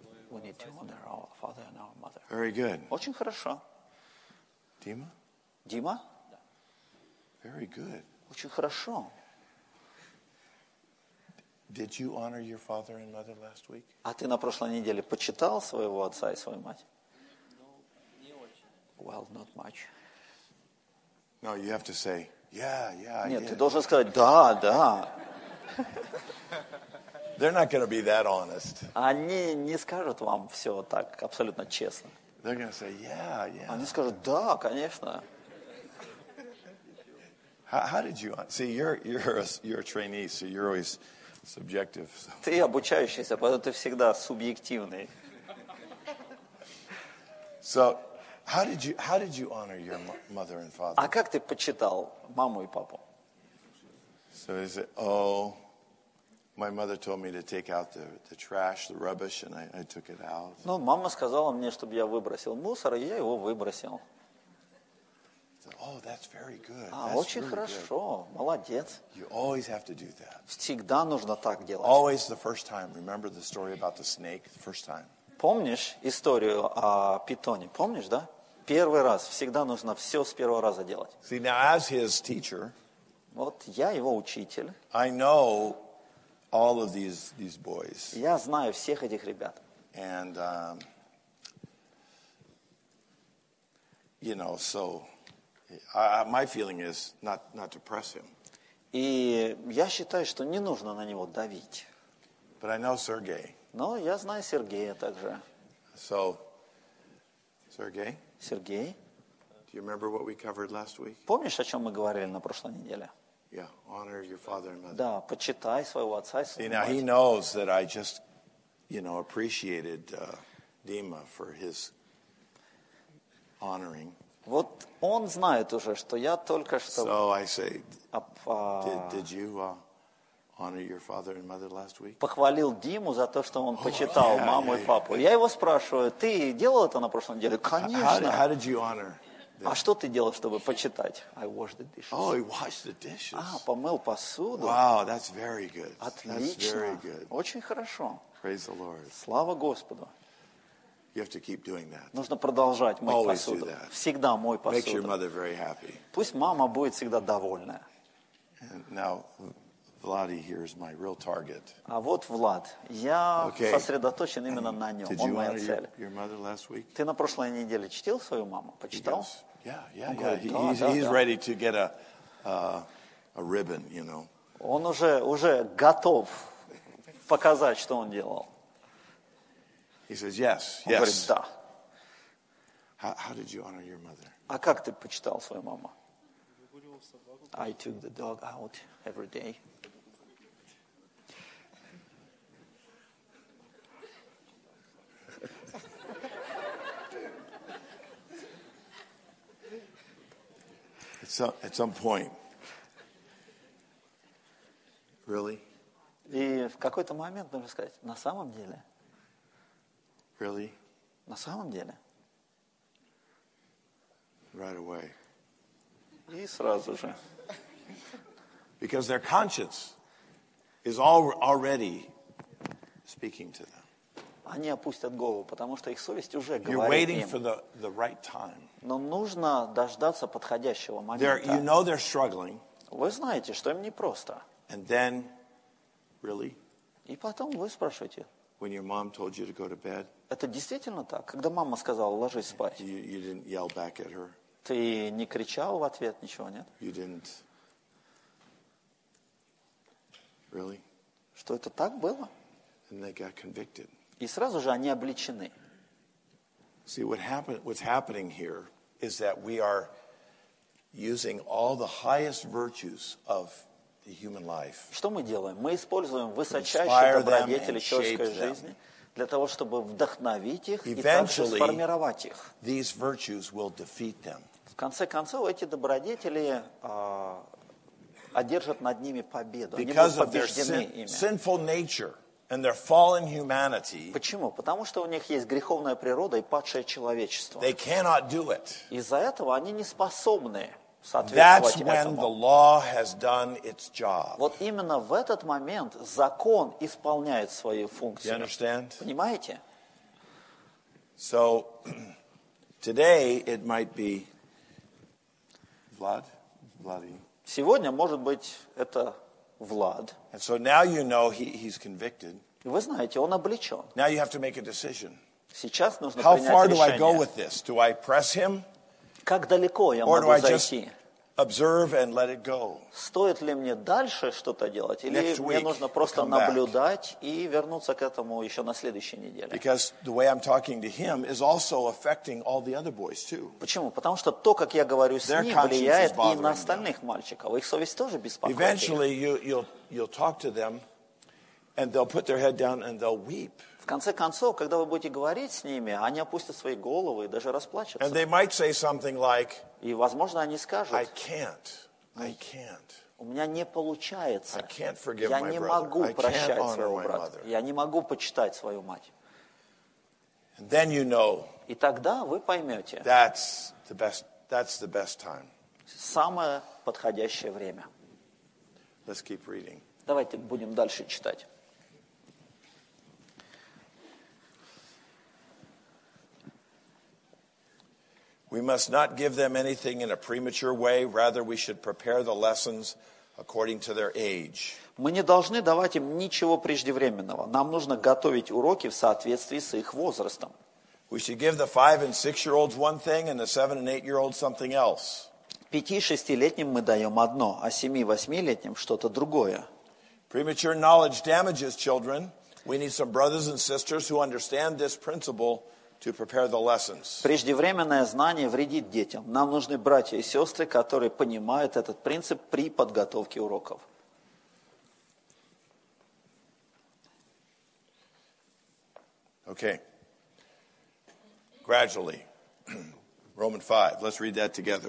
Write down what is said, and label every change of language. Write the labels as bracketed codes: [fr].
[en] We need to honor our father and our mother. Very good. [ru] Очень хорошо. Дима? Дима? [en] Very good. [ru] Очень хорошо. [en] Did you honor your father and mother last week? [ru] А ты на прошлой неделе почитал своего отца и свою мать? No, не очень. [en] Well, not much. No, you have to say, yeah, yeah. [ru] Нет, [en] I [ru] ты должен сказать, да, да. [en] They're not going to be that honest. [ru] Они не скажут вам все так абсолютно честно. [en] They're going to say, yeah, yeah. [ru] Они скажут, да, конечно. [en] How did you see? You're a trainee, so you're always subjective. [ru] Ты обучающийся, поэтому ты всегда субъективный. [en] So, how did you honor your mother and father? [ru] А как ты почитал маму и папу? [en] So they said, oh, my mother told me to take out the trash, the rubbish, and I took it out. [ru] Ну, мама сказала мне, чтобы я выбросил мусор, и я его выбросил. [en] Oh, that's very good. [ru] А, [en] that's [ru] очень [en] really [ru] хорошо. [en] Good. [ru] Молодец. [en] You always have to do that. [ru] Всегда нужно так делать. [en] Always the first time. Remember the story about the snake? The first time. [ru] Помнишь историю о питоне? Помнишь, да? Первый раз. Всегда нужно все с первого раза делать. [en] See, now as his teacher, [ru] вот я его учитель. [en] I know all of these boys. [ru] Я знаю всех этих ребят. [en] And, you know, so... my feeling is not to press him. [ru] И я считаю, что не нужно на него давить. [en] But I know Sergey. [ru] Но я знаю Сергея также. [en] So, Sergey? [ru] Сергей? [en] Do you remember what we covered last week? [ru] Помнишь, о чем мы говорили на прошлой неделе? [en] Yeah, honor your father and mother. [ru] Да, почитай своего отца и свою мать. [en] See, now he knows that I just, you know, appreciated Dima for his honoring. [ru] Вот он знает уже, что я только что... [en] So I say, did you honor your father and mother last week? [ru] Похвалил Диму за то, что он почитал маму и папу. Я его спрашиваю, ты делал это на прошлой неделе? Конечно. [en] How did you honor? [ru] А что ты делал, чтобы почитать? [en] I washed the dishes. Oh, he washed the dishes. [ru] А, помыл посуду. [en] Wow, that's very good. [ru] Отлично. [en] That's very good. [ru] Очень хорошо. [en] Praise the Lord. [ru] Слава Господу. [en] You have to keep doing that. [ru] Нужно продолжать мыть посуду. Всегда мой посуду. [en] Makes your mother very happy. [ru] Пусть мама будет всегда довольна. [en] And now, Vladi here is my real target. [ru] А вот Влад. Я сосредоточен именно на нем. Он моя цель. [en] Your mother last week? [ru] Ты на прошлой неделе чтил свою маму? Почитал? [en] He's ready to get a ribbon, you know. [ru] Он уже готов показать, что он делал. [en] He says yes. Yes. [ru] Он говорит, да. [en] How did you honor your mother? [ru] А как ты почитал свою маму? [en] I took the dog out every day. It at some point. Really? [ru] И в какой-то момент нужно сказать, на самом деле. [en] Really? [ru] На самом деле. [en] Right away. [ru] И сразу же. [en] Because their conscience is already speaking to them. [ru] Они опустят голову, потому что их совесть уже говорит им. [en] You're waiting for the right time. [ru] Но нужно дождаться подходящего момента. [en] You know they're struggling. [ru] Вы знаете, что им непросто. [en] And then, really? [ru] И потом вы спрашиваете. [en] When your mom told you to go to bed? [ru] Это действительно так? Когда мама сказала, ложись спать. [en] You didn't yell back at her? [ru] Ты не кричал в ответ ничего, нет? [en] You didn't. Really? [ru] Что это так было? [en] And they got convicted. [ru] И сразу же они обличены. [en] See, what's happening here is that we are using all the highest virtues of the human life. [ru] Что мы делаем? Мы используем высочайшие добродетели человеческой жизни для того, чтобы вдохновить их и также сформировать их. [en] These virtues will defeat them. [ru] В конце концов, эти добродетели одержат над ними победу. Они будут побеждены ими. [en] Sinful nature. And their fallen humanity. [ru] Почему? Потому что у них есть греховная природа и падшее человечество. [en] They cannot do it. [ru] Из-за этого они не способны соответствовать этому. [en] That's when the law has done its job. [ru] Вот именно в этот момент закон исполняет свою функцию. [en] You understand? [ru] Понимаете? [en] So today it might be Vlad, Vladi. [ru] Сегодня может быть это Влад. [en] And so now you know he's convicted. [ru] Вы знаете, он обличен. [en] Now you have to make a decision. [ru] Сейчас нужно [en] How [ru] принять решение. [en] How far do I go with this? Do I press him? [ru] Как далеко я могу зайти? Or [en] I just observe and let it go? [ru] Стоит ли мне дальше что-то делать? Или мне нужно просто наблюдать и вернуться к этому еще на следующей неделе? [en] Because the way I'm talking to him is also affecting all the other boys too. [ru] Почему? Потому что то, как я говорю с ним, влияет и на остальных мальчиков. Их совесть тоже беспокоит. [en] Eventually you'll talk to them and they'll put their head down and they'll weep. [ru] В конце концов, когда вы будете говорить с ними, они опустят свои головы и даже расплачутся. [en] And they might say something like, [ru] и, возможно, они скажут, [en] I can't, I can't. [ru] У меня не получается. [en] I can't forgive [ru] Я не [en] my [ru] могу [en] brother. [ru] Прощать своего брата. Я не могу почитать свою мать. [en] And then you know, [ru] и тогда вы поймете, [en] that's the best time. [ru] Самое подходящее время. [en] Let's keep reading. [ru] Давайте будем дальше читать. [en] We must not give them anything in a premature way, rather we should prepare the lessons according to their age. [ru] Мы не должны давать им ничего преждевременного. Нам нужно готовить уроки в соответствии с их возрастом. [en] We should give the 5 and 6 year olds one thing and the 7 and 8 year olds something else. [ru] 5-6-летним мы даем одно, а 7-8-летним что-то другое. [en] Premature knowledge damages children. We need some brothers and sisters who understand this principle. To prepare the lessons. [ru] Преждевременное знание вредит детям. Нам нужны братья и сестры, которые понимают этот принцип при подготовке уроков. [en] Okay. Gradually. Roman 5. Let's read that together.